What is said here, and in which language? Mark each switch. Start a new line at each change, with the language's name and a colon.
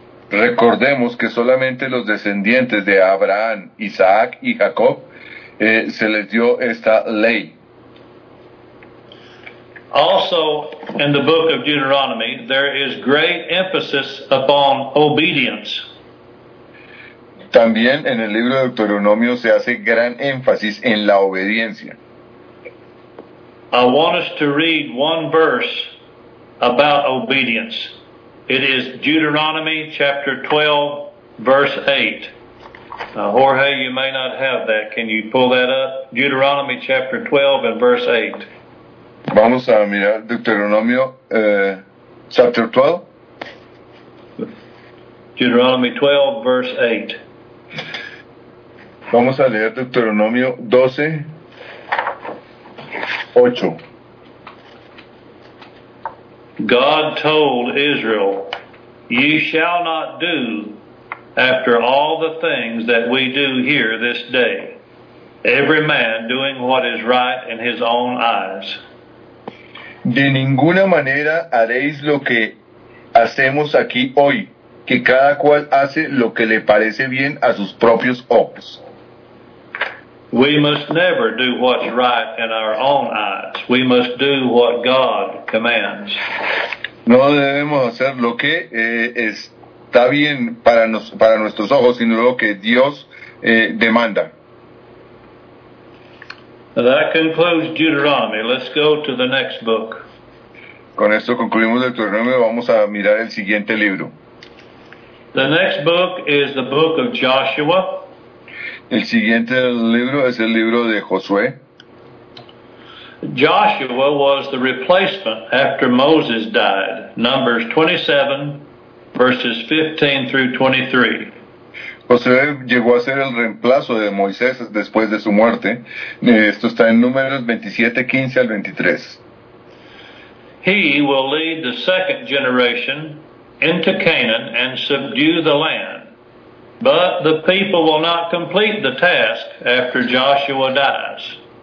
Spanish: Recordemos que solamente los descendientes de Abraham, Isaac y Jacob se les dio esta ley.
English: Also, in the book of Deuteronomy, there is great emphasis upon obedience.
Spanish: También en el libro de Deuteronomio se hace gran énfasis en la obediencia.
English: I want us to read one verse about obedience. It is Deuteronomy chapter 12, verse 8. Now, Jorge, you may not have that. Can you pull that up? Deuteronomy chapter 12 and verse 8.
Spanish: Vamos a mirar Deuteronomio chapter 12.
English: Deuteronomy 12, verse 8.
Spanish: Vamos a leer Deuteronomio 12, 8.
English: God told Israel, "You shall not do after all the things that we do here this day, every man doing what is right in his own eyes."
Spanish: De ninguna manera haréis lo que hacemos aquí hoy, que cada cual hace lo que le parece bien a sus propios ojos.
English: We must never do what's right in our own eyes. We must do what God commands.
Spanish: No debemos hacer lo que está bien para para nuestros ojos, sino lo que Dios demanda.
English: That concludes Deuteronomy. Let's go to the next book.
Spanish: Con esto concluimos el Deuteronomio. Vamos a mirar el siguiente libro.
English: The next book is the book of Joshua.
Spanish: El siguiente libro es el libro de Josué.
English: Joshua was the replacement after Moses died. Numbers 27, verses 15 through 23.
Spanish: Josué llegó a ser el reemplazo de Moisés después de su muerte. Esto está en Números 27, 15 al 23.
English: He will lead the second generation into Canaan and subdue the land. But the people will not complete the task after Joshua dies.